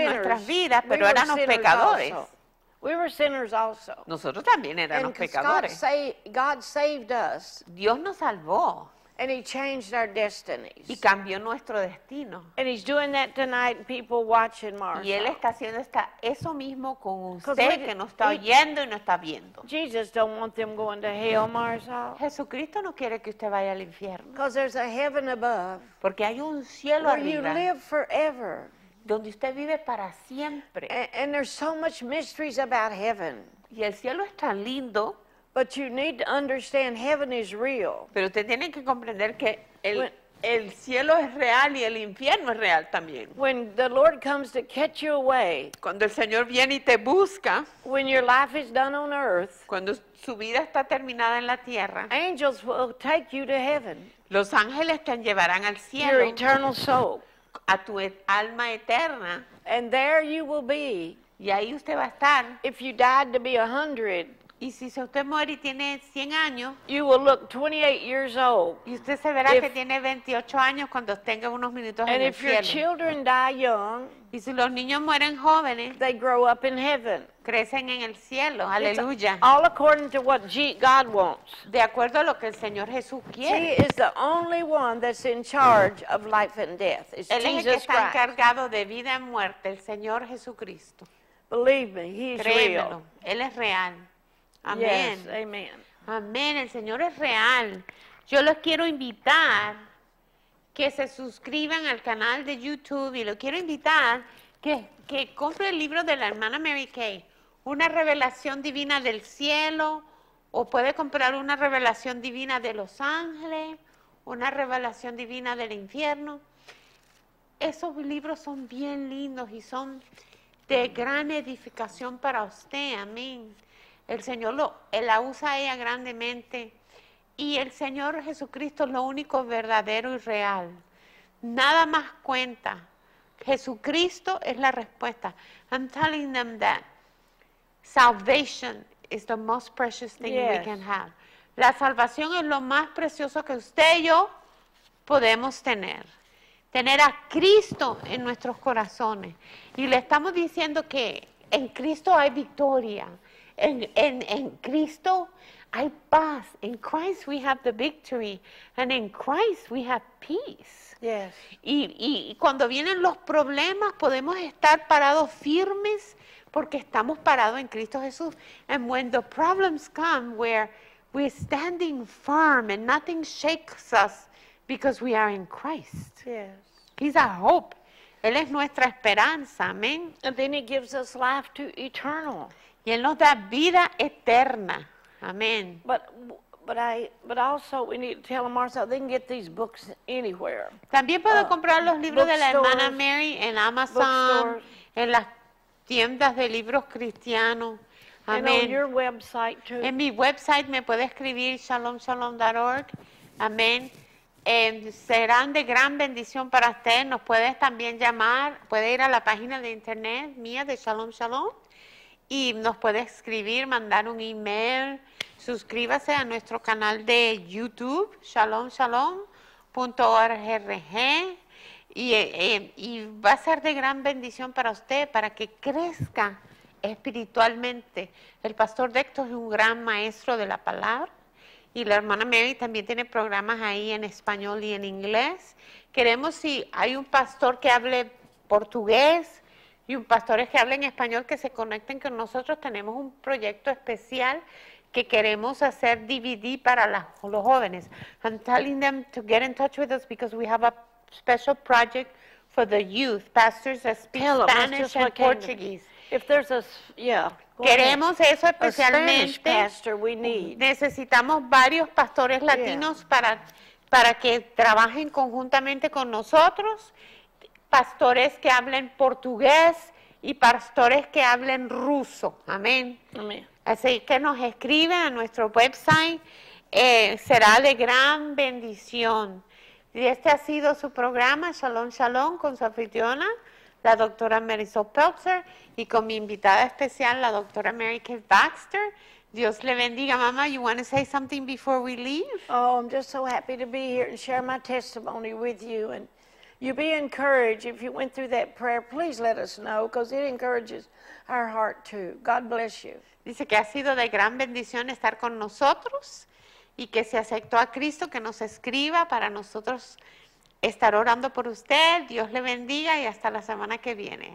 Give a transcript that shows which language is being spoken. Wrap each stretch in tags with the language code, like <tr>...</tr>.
<es>en nuestras vidas, pero</es> <en>we</en> <es>éramos pecadores.</es> <en>Also. We were sinners also.</en> <es>Nosotros también éramos pecadores.</es> <en>God saved us.</en> <es>Dios nos salvó.</es> <en>And he changed our destinies.</en> <es>Y cambió nuestro destino.</es> <en>And he's doing that tonight, people watching Mars.</en> <es>Y él está haciendo eso mismo con usted que nos está oyendo y nos está viendo.</es> <en>Jesus don't want them going to hell, Marisol.</en> <es>Jesucristo no quiere que usted vaya al infierno.</es> <en>Because there's a heaven above.</en> <es>Porque hay un cielo</es> <en>where</en> <es>arriba.</es> <en>Where you live forever.</en> <es>Donde usted vive para siempre.</es> <en>And there's so much mysteries about heaven.</en> <es>Y el cielo es tan lindo.</es> <en>But you need to understand heaven is real.</en> <es>Pero usted tiene que comprender que el cielo es real y el infierno es real también.</es> <en>When the Lord comes to catch you away.</en> <es>Cuando el Señor viene y te busca.</es> <en>When your life is done on earth.</en> <es>Cuando su vida está terminada en la tierra.</es> <en>Angels will take you to heaven.</en> <es>Los ángeles te llevarán al cielo.</es> <en>Your eternal soul.</en> <es>A tu alma eterna.</es> <en>And there you will be.</en> <es>Y ahí usted va a estar.</es> <en>If you died to be 100.</en> <es>Y si usted muere y tiene 100 años,</es> <en>you will look 28 years old.</en> <es>Y usted se verá que tiene 28 años cuando tenga unos minutos en el cielo.</es> <en>And if your children die young,</en> <es>y si los niños mueren jóvenes,</es> <en>they grow up in heaven.</en> <es>Crecen en el cielo. Aleluya.</es> <en>It's all according to what God wants.</en> <es>De acuerdo a lo que el Señor Jesús quiere.</es> <en>He is the only one that's in charge of life and death. It's</en> <es>Él es el que está encargado</es> <en>Christ.</en> <es>De vida y muerte, el Señor Jesucristo.</es> <en>Believe me, he is</en> <es>Créemelo,</es> <en>real.</en> <es>Él es real.</es> <en>Amén. Yes, amen.</en> <es>Amén. El Señor es real. Yo los quiero invitar que se suscriban al canal de YouTube y los quiero invitar que compre el libro de la hermana Mary Kay, una revelación divina del cielo, o puede comprar una revelación divina de los ángeles, una revelación divina del infierno. Esos libros son bien lindos y son de gran edificación para usted. Amén. El Señor la usa a ella grandemente. Y el Señor Jesucristo es lo único verdadero y real. Nada más cuenta. Jesucristo es la respuesta.</es> <en>I'm telling them that salvation is the most precious thing yes. we can have.</en> <es>La salvación es lo más precioso que usted y yo podemos tener. Tener a Cristo en nuestros corazones. Y le estamos diciendo que en Cristo hay victoria. En Cristo hay paz.</es> <en>In Christ we have the victory. And in Christ we have peace. Yes.</en> <es>Y cuando vienen los problemas, podemos estar parados firmes porque estamos parados en Cristo Jesús.</es> <en>And when the problems come, where we're standing firm and nothing shakes us because we are in Christ. Yes. He's our hope.</en> <es>Él es nuestra esperanza, amén.</es> <en>And then he gives us life to eternal.</en> <es>Y él nos da vida eterna, amén.</es> <en>But also we need to tell them, Marcel, they can get these books anywhere.</en> <es>También puedo comprar los libros de la hermana Mary en Amazon, en las tiendas de libros cristianos. Amén.</es> <en>And on your website too.</en> <es>En mi website me puede escribir shalomshalom.org, amén. Serán de gran bendición para usted. Nos puedes también llamar, puede ir a la página de internet mía de Shalom Shalom y nos puede escribir, mandar un email. Suscríbase a nuestro canal de YouTube, shalomshalom.org, y va a ser de gran bendición para usted, para que crezca espiritualmente. El pastor Dexto es un gran maestro de la palabra. Y la hermana Mary también tiene programas ahí en español y en inglés. Queremos, si hay un pastor que hable portugués y un pastor que hable en español, que se conecten con nosotros. Tenemos un proyecto especial que queremos hacer DVD para los jóvenes.</es> <en>I'm telling them to get in touch with us because we have a special project for the youth. Pastors that speak Spanish and Portuguese. If there's a, yeah.</en> <es>Queremos eso especialmente.</es> <en>Pastor, we need.</en> <es>Necesitamos varios pastores latinos para que trabajen conjuntamente con nosotros. Pastores que hablen portugués y pastores que hablen ruso. Amén. Así que nos escriben a nuestro website. Será de gran bendición. Y este ha sido su programa, Shalom Shalom, con su anfitriona, la doctora Marisol Peltzer, y con mi invitada especial, la doctora Mary Kay Baxter. Dios le bendiga, mamá.</es> <en>You want to say something before we leave? Oh, I'm just so happy to be here and share my testimony with you. And you be encouraged. If you went through that prayer, please let us know, because it encourages our heart too. God bless you.</en> <es>Dice que ha sido de gran bendición estar con nosotros, y que si aceptó a Cristo, que nos escriba para nosotros estar orando por usted. Dios le bendiga y hasta la semana que viene.</es>